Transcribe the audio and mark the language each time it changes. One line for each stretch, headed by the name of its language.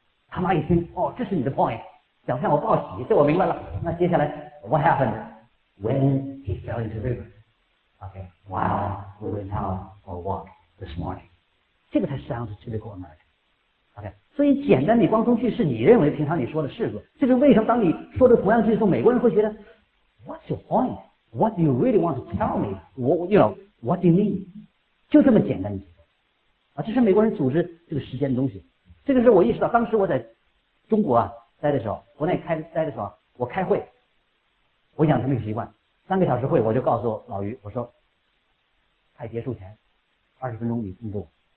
Chinese: 他妈一听，哦，这是你的 point， 想向我报喜，这我明白了。
English: 那接下来 ，What happened？ When he fell into the river, okay. While we went out for a walk this morning,
Chinese: 这个才
English: sounds typical American, okay.
Chinese: 所以简单，你光从句式，你认为平常你说的是个，这是为什么？当你说的同样句式，美国人会觉得 ，
English: What's your point? What do you really want to tell me? What, you know, what do you mean?
Chinese: 就这么简单一句啊，这是美国人组织这个时间的东西。这个是我意识到，当时我在中国啊待的时候，国内待的时候，我开会。我养成一个习惯，三个小时会，我就告诉老于，我说，快结束前，二十分钟你进步。